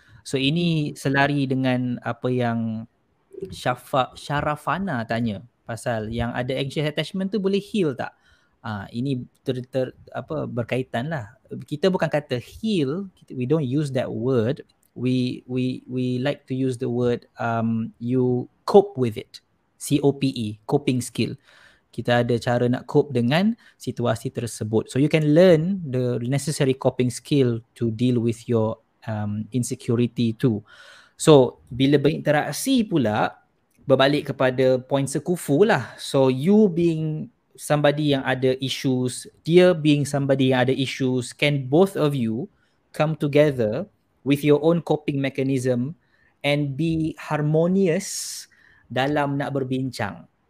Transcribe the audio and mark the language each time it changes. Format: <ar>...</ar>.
<ms>So ini selari dengan apa yang Syarafana tanya pasal yang ada anxious attachment tu boleh heal tak? Ini apa berkaitan lah. Kita bukan kata heal,</ms> <en>we don't use that word. We like to use the word you cope with it. COPE, coping skill.</en> <ms>Kita ada cara nak cope dengan situasi tersebut.</ms> <en>So you can learn the necessary coping skill to deal with your insecurity too.</en> <ms>So bila berinteraksi pula, berbalik kepada poin sekufu lah.</ms> <en>So you being somebody</en> <ms>yang ada issues,</ms> <en>dia being somebody yang ada issues, can both of you come together with your own coping mechanism and be harmonious</en> <ms>dalam nak berbincang?</ms>